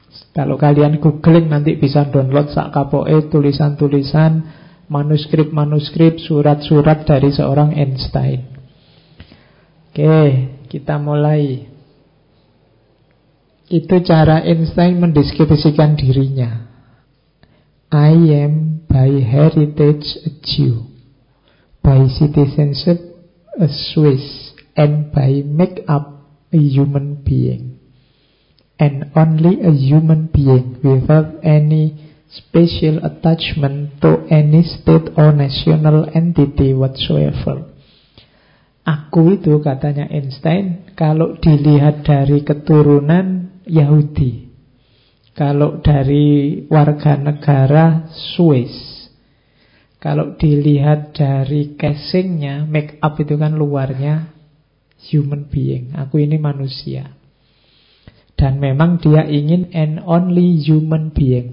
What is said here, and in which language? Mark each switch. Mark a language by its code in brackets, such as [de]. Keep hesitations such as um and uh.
[id] Kalau kalian googling nanti bisa download sak kapoe tulisan-tulisan manuskrip-manuskrip surat-surat dari seorang Einstein. Oke, kita mulai itu cara Einstein mendeskripsikan dirinya. [en] I am by heritage a Jew, by citizenship a Swiss, and by make up a human being. And only a human being without any special attachment to any state or national entity whatsoever. [id] Aku itu katanya Einstein, kalau dilihat dari keturunan Yahudi Kalau dari warga negara Swiss Kalau dilihat dari casingnya Make up itu kan luarnya Human being Aku ini manusia dan memang dia ingin [en] and only human being.